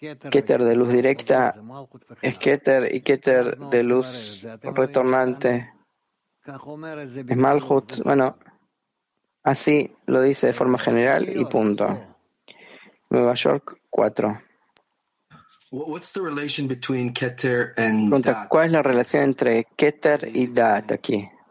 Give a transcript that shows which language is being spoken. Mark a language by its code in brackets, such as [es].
[es] Keter de luz directa es Keter y Keter de luz retornante es Malhut. Bueno, así lo dice de forma general y punto. Nueva York 4. [en] What's the relation between Keter and Daat? [es] ¿Cuál es la relación entre Keter y Daat aquí?